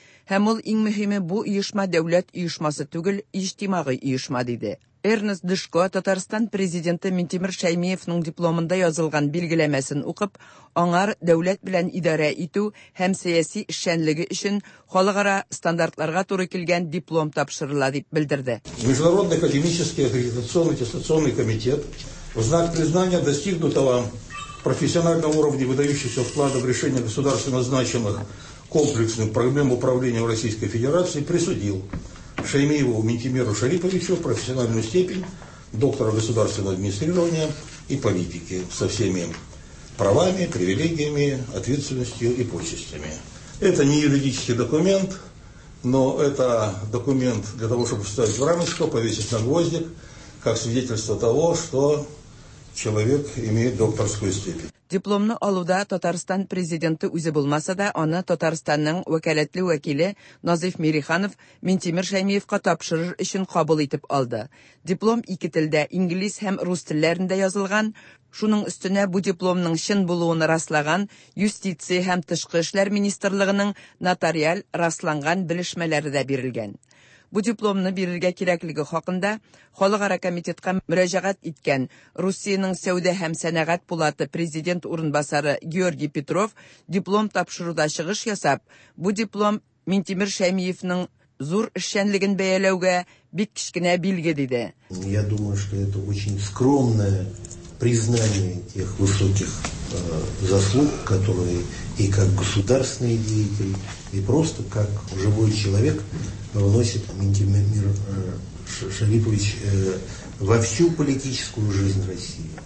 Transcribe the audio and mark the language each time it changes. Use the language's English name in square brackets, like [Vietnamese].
[Tatar] Һәм ул иң мөһиме бу оешма дәүләт оешмасы түгел, иҗтимагый оешма диде. Эрнест Дышко Татарстан президенты Минтимер Шәймиевның дипломында язылган билгеләмәсен укып, аңар дәүләт белән идарә итү һәм сәяси эшчәнлеге өчен халыкара стандартларга туры килгән диплом тапшырыла дип белдерде. [Russian] Международный академический аккредитационный аттестационный комитет в знак признания достигнутого профессионального уровня выдающихся вкладов в решение государственно значимых комплексных проблем управления в Российской Федерации присудил Шаймиеву Минтимеру Шариповичу профессиональную степень доктора государственного администрирования и политики со всеми правами, привилегиями, ответственностью и почестями. Это не юридический документ, но это документ для того, чтобы вставить в рамочку, повесить на гвоздик, как свидетельство того, что человек имеет докторскую степень. [Tatar] Дипломны алуда Татарстан президенты үзе булмаса да, аны Татарстанның вәкаләтле вәкиле Назиф Мириханов Минтимер Шәймиевка тапшырыр өчен кабул итеп алды. Диплом ике телдә, инглиз һәм рус телләрендә язылган. Шуның өстенә бу дипломның чын булуын раслаган юстиция һәм тышкы эшләр министрлыгының нотариаль расланган белешмәләре дә бирелгән. Бу дипломны бирергә кирәклеге хакында Халыкара комитетка мөрәҗәгать иткән Русиянең сәүдә һәм сәнәгать палаты президент урынбасары Георгий Петров диплом тапшыруда чыгыш ясап, бу диплом Минтимер Шәймиевнең зур эшчәнлеген бәяләүгә бик кичкенә билге диде. [Russian] Я думаю, что это очень скромное признание тех высоких заслуг, которые и как государственный деятель, и просто как живой человек вносит Минтимер Шарипович во всю политическую жизнь России.